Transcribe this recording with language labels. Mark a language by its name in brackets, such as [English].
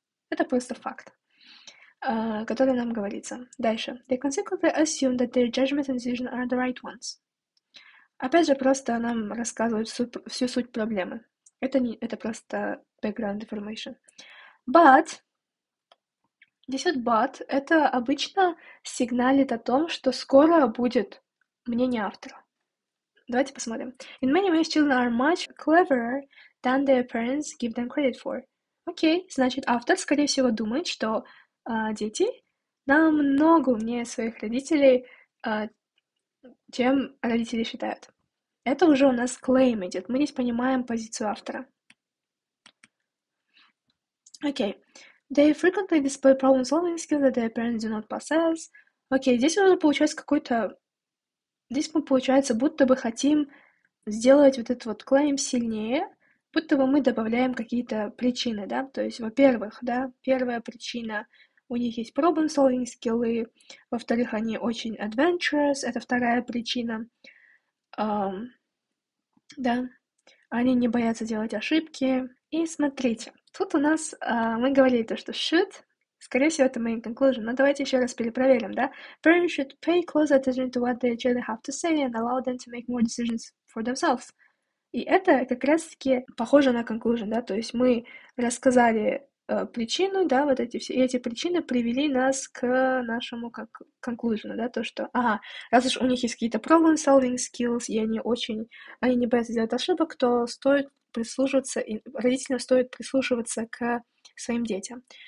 [Russian] Это просто факт, который нам говорится. Дальше. [English] They consequently assume that their judgment and decision are the right ones. [Russian] Опять же, просто нам рассказывают всю суть проблемы. Это не, это просто [English] background information. [Russian] But здесь вот but, это обычно сигналит о том, что скоро будет мнение автора. Давайте посмотрим. [English] In many ways, children are much cleverer than their parents give them credit for. [Russian] Окей, значит, автор, скорее всего, думает, что дети намного умнее своих родителей, чем родители считают. Это уже у нас claim идет. Мы здесь понимаем позицию автора. Окей. [English] They frequently display problem-solving skills that their parents do not possess. [Russian] Окей, здесь уже получается какой-то... Здесь мы, получается, будто бы хотим сделать вот этот вот claim сильнее, будто бы мы добавляем какие-то причины, да? То есть, во-первых, да, первая причина, у них есть [English] problem-solving skills, [Russian] во-вторых, они очень adventurous, это вторая причина, да, они не боятся делать ошибки. И смотрите, тут у нас, мы говорили то, что should, скорее всего, это main conclusion, но давайте еще раз перепроверим, да? [English] Parents should pay close attention to what their children have to say and allow them to make more decisions for themselves. [Russian] И это как раз-таки похоже на conclusion, да, то есть мы рассказали причину, да, вот эти все, и эти причины привели нас к нашему conclusion, да, то, что, ага, раз уж у них есть какие-то [English] problem-solving skills, [Russian] и они очень, они не боятся делать ошибок, то стоит прислушиваться, и родителям стоит прислушиваться к своим детям.